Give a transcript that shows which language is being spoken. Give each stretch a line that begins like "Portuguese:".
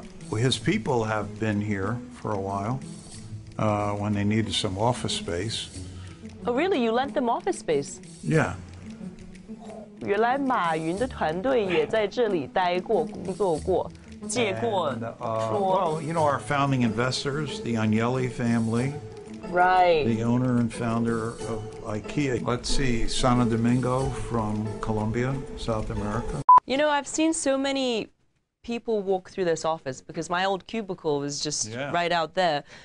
English: His people have been here for a while when they needed some office space. Oh, really? You lent them office space? Yeah.
Chinese: 原来马云的团队也在这里待过，工作过。
English: You know, our founding investors, the Agnelli family. Right. The owner and founder of IKEA. Let's see, Santo Domingo from Colombia, South America. You know, I've seen so many people walk through this office because my old cubicle was just right out there.